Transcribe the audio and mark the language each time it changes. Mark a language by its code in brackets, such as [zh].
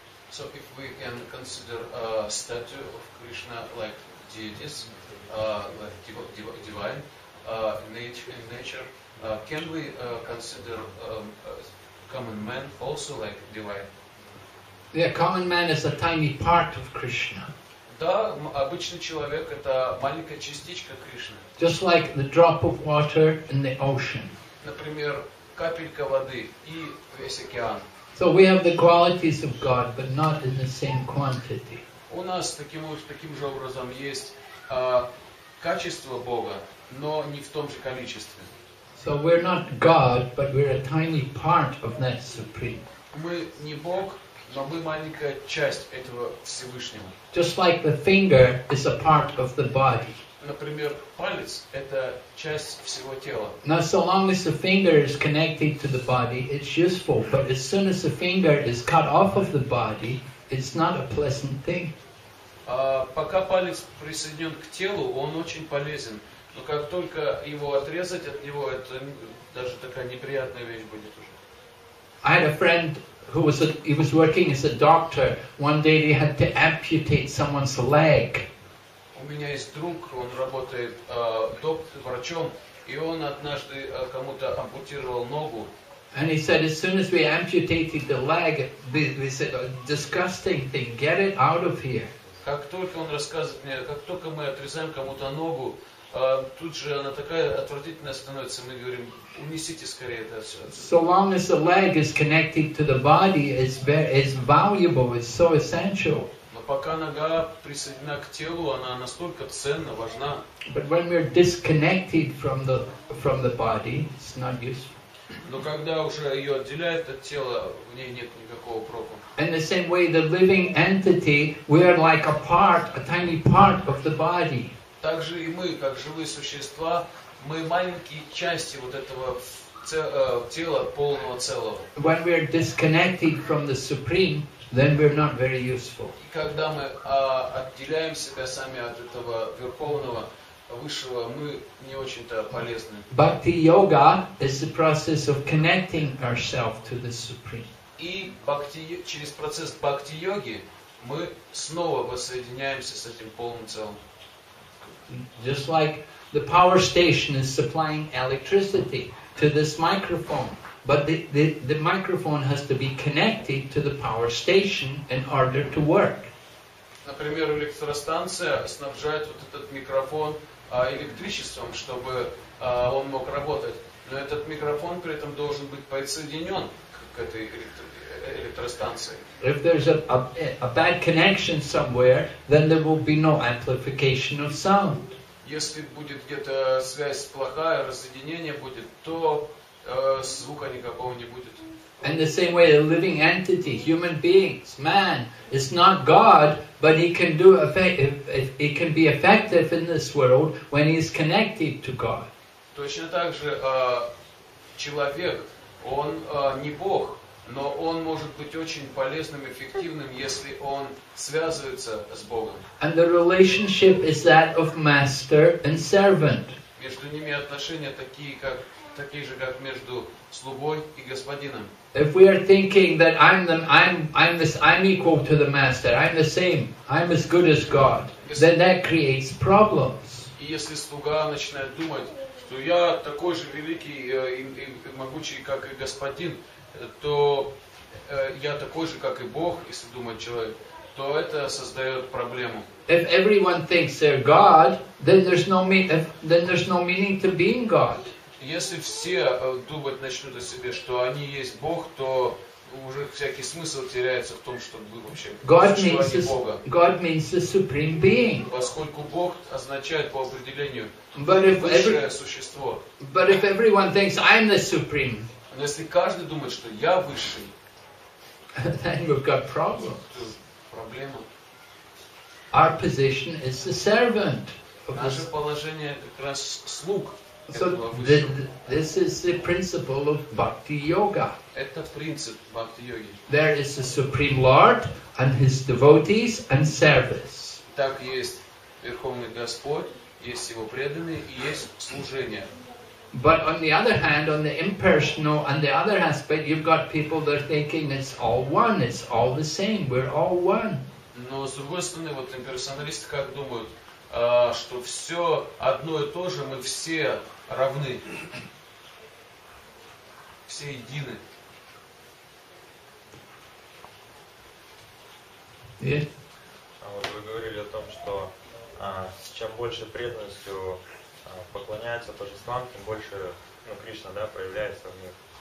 [en] So if we can consider a statue of Krishna like deities, like divine nature, can we consider common man also like divine? Yeah, common man is a tiny part of Krishna. [ru] Да, обычный человек — это маленькая частичка Кришны. [en] Just like the drop of water in the ocean. [ru] Например, капелька воды и весь океан. [en] So we have the qualities of God, but not in the same quantity. [ru] У нас таким же образом есть качество Бога, но не в том же количестве. [en] So we're not God, but we're a tiny part of that Supreme. [ru] Мы не Бог, но мы маленькая часть этого Всевышнего. [en] Just like the finger is a part of the body. [ru] Например, палец — это часть всего тела. [en] Now, so long as the finger is connected to the body, it's useful. But as soon as the finger is cut off of the body, it's not a pleasant thing. [ru] Пока палец присоединен к телу, он очень полезен. Но как только его отрезать от него, это даже такая неприятная вещь будет уже. [en] I had a friend who was he was working as a doctor. One day he had to amputate someone's leg. [ru] У меня есть друг, он работает врачом, и он однажды кому-то ампутировал ногу. [en] And he said, as soon as we amputated the leg, we said, oh, disgusting thing, get it out of here. [ru] Как только он рассказывает мне, как только мы отрезаем кому-то ногу, тут же она такая отвратительная становится, мы говорим, унесите скорее это все. [en] So long as the leg is connected to the body, it's valuable, it's so essential. [ru] Пока нога присоединена к телу, она настолько ценна, важна. [en] But when we're disconnected from the body, it's not useful. [ru] Но когда уже ее отделяет от тела, в ней нет никакого проку. [en] In the same way, the living entity, we are like a part, a tiny part of the body. [ru] Также и мы, как живые существа, мы маленькие части вот этого тела полного целого. [en] When we're disconnected from the Supreme, then we're not very useful. [ru] И когда мы отделяем себя сами от этого верховного, высшего, мы не очень-то полезны. [en] Bhakti yoga is the process of connecting ourselves to the Supreme. [ru] И через процесс бхакти йоги мы снова воссоединяемся с этим полным целым. [en] Just like the power station is supplying electricity to this microphone. But the microphone has to be connected to the power station in order to work. [ru] Например, электростанция снабжает вот этот микрофон электричеством, чтобы он мог работать. Но этот микрофон при этом должен быть подсоединен к этой электростанции. [en] If there's a bad connection somewhere, then there will be no amplification of sound. [ru] Если будет где-то связь плохая, разъединение будет, то звука никакого не будет. [en] In the same way, a living entity, human beings, man, is not God, but he can do effect. It can be effective in this world when he is connected to God. [ru] Точно так же человек, он не Бог, но он может быть очень полезным, эффективным, если он связывается с Богом. [en] And the relationship is that of master and servant. [ru] Между ними отношения такие, как такие же, как между слугой и господином. [en] If we are thinking that I'm equal to the master, I'm the same, I'm as good as God, then that creates problems. [ru] И если слуга начинает думать, что я такой же великий и могучий, как и господин, то я такой же, как и Бог, если думать человек, то это создает проблему. [en] If everyone thinks they're God, then there's no meaning to being God. [ru] Если все думать начнут о себе, что они есть Бог, то уже всякий смысл теряется в том, что вы вообще существование Бога. [en] God means the supreme being. [ru] Поскольку Бог означает по определению высшее существо. [en] But if everyone thinks I'm the supreme, [ru] но если каждый думает, что я высший, [en] then we've got problems. [ru] Проблема. [en] Our position is the servant. [ru] Наше положение как раз слуг. [en] So this is the principle of Bhakti Yoga. [ru] Это принцип Бхакти Йоги. [en] There is the Supreme Lord and his devotees and service. [ru] Так есть Верховный Господь, есть его преданные и есть служение. [en] But on the other hand, on the impersonal and the other aspect, you've got people that are thinking it's all one, it's all the same, we're all one. [ru] Но с другой стороны, вот имперсоналисты как думают, что все одно и то же, мы все равны, все едины. А вот вы говорили о том, что чем больше преданностью поклоняется божествам, тем больше Кришна, да, проявляется в них.